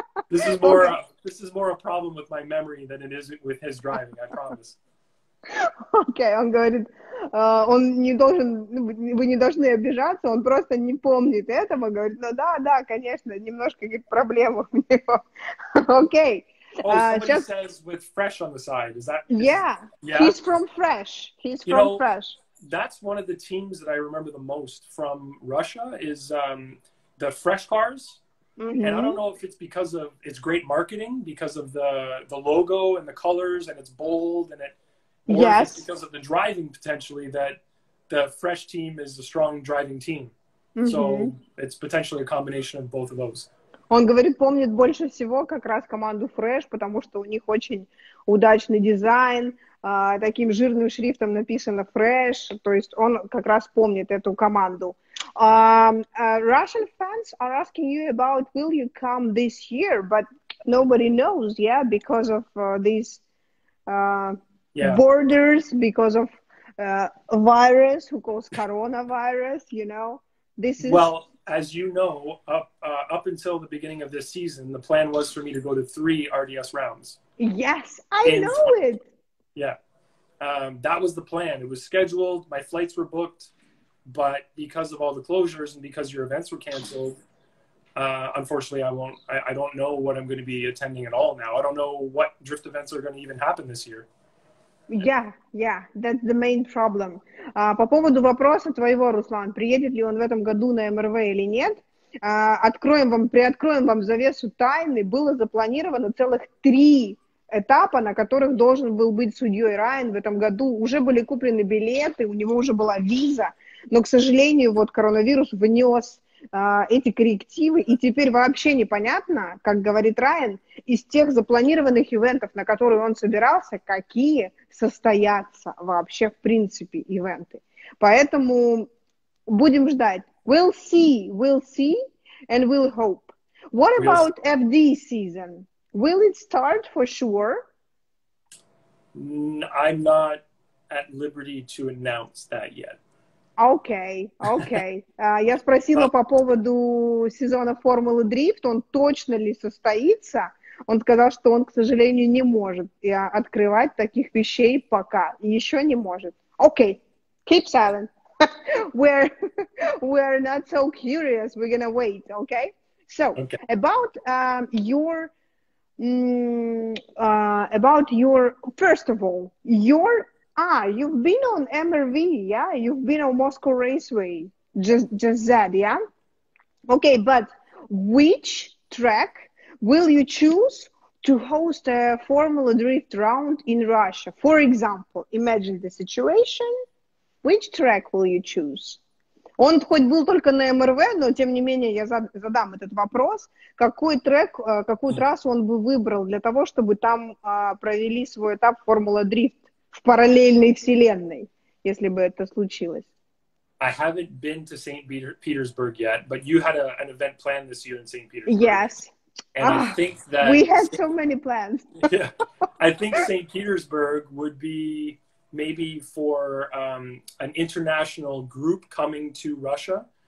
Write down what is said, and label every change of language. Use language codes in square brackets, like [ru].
[en] This is more a problem with my memory than it is with his driving, I promise. [ru] Okay, он говорит. Он не должен, вы не должны обижаться, он просто не помнит этого, говорит, ну да, конечно, немножко проблема у него. Окей. [en] Okay. Oh, somebody says with Fresh on the side, is that? Yeah. He's from Fresh. He's from Fresh. That's one of the teams that I remember the most from Russia is the Fresh cars. Mm-hmm. And I don't know if it's because of it's great marketing, because of the logo and the colors, and it's bold, and it, or yes, if it's because of the driving potentially that the fresh team is a strong driving team. Mm-hmm. So it's potentially a combination of both of those. [ru] Он говорит, помнит больше всего как раз команду Fresh, потому что у них очень удачный дизайн, таким жирным шрифтом написано Fresh, то есть он как раз помнит эту команду. [en] Russian fans are asking you about will you come this year, but nobody knows, yeah, because of these borders, because of virus, who calls coronavirus, you know, this is... Well, as you know, up until the beginning of this season, the plan was for me to go to 3 RDS rounds. Yes, I know it. Yeah, that was the plan. It was scheduled. My flights were booked. But because of all the closures and because your events were canceled, unfortunately, I don't know what I'm going to be attending at all now. I don't know what drift events are going to even happen this year. Yeah, yeah, that's the main problem. [ru] По поводу вопроса твоего, Руслан, приедет ли он в этом году на МРВ или нет, приоткроем вам завесу тайны, было запланировано целых 3 этапа, на которых должен был быть судьей Райан в этом году. Уже были куплены билеты, у него уже была виза, но, к сожалению, вот коронавирус внес эти коррективы, и теперь вообще непонятно, как говорит Райан, из тех запланированных ивентов, на которые он собирался, какие состоятся вообще в принципе ивенты. Поэтому будем ждать. [en] We'll see, and we'll hope. What about FD season? Will it start for sure? I'm not at liberty to announce that yet. [ru] Окей, окей. Я спросила по поводу сезона Формулы Дрифт, он точно ли состоится. Он сказал, что он, к сожалению, не может открывать таких вещей пока. Еще не может. Окей, [en] keep silent. We're not so curious, we're gonna wait, okay? So, okay. About your, first of all, your... Ah, you've been on MRV, yeah? You've been on Moscow Raceway, just that, yeah? Okay, but which track will you choose to host a Formula Drift round in Russia? For example, imagine the situation. Which track will you choose? [ru] Он хоть был только на МРВ, но тем не менее я задам этот вопрос. Какой трек, какую трассу он бы выбрал для того, чтобы там провели свой этап Формула Дрифт? В параллельной вселенной, если бы это случилось. [en] I haven't been to St. Petersburg yet, but you had an event planned this year in St. Petersburg. Yes. And I think that... We had so many plans. Yeah. I think St. Petersburg would be maybe for an international group coming to Russia.